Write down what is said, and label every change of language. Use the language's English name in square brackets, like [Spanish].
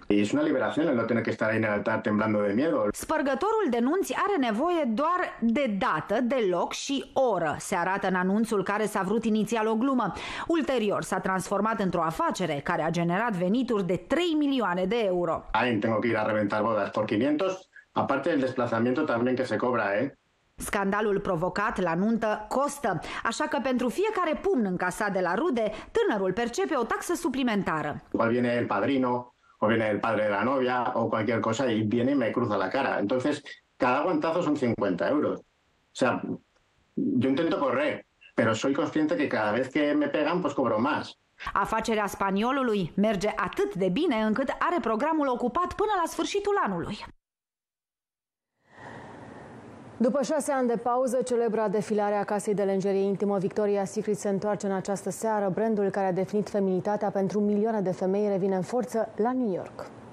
[Romanian] Este o liberație, nu trebuie să stai în altar [Spanish] temblando de miedo. [Romanian] Spărgătorul de nunți are nevoie doar de dată, de loc și oră, se arată în anunțul care s-a vrut inițial o glumă. Ulterior s-a transformat într-o afacere care a generat venituri de 3 milioane de euro. [Spanish] Ai, tengo que ir a reventar bodas por 500, aparte del desplazamiento también que se cobra, ¿eh? [Romanian] Scandalul provocat la nuntă costă, așa că pentru fiecare pumn încasat de la rude, tânărul percepe o taxă suplimentară. [Spanish] ¿Cuál viene el padrino? O viene el padre de la novia o cualquier cosa y viene y me cruza la cara. Entonces, cada guantazo son 50 euros. O sea, yo intento correr, pero soy consciente que cada vez que me pegan, pues cobro más. [Romanian] Afacerea spaniolului merge atât de bine încât are programul ocupat până la sfârșitul anului. După 6 ani de pauză, celebra defilare a casei de lenjerie intimă Victoria's Secret se întoarce în această seară. Brandul care a definit feminitatea pentru milioane de femei revine în forță la New York.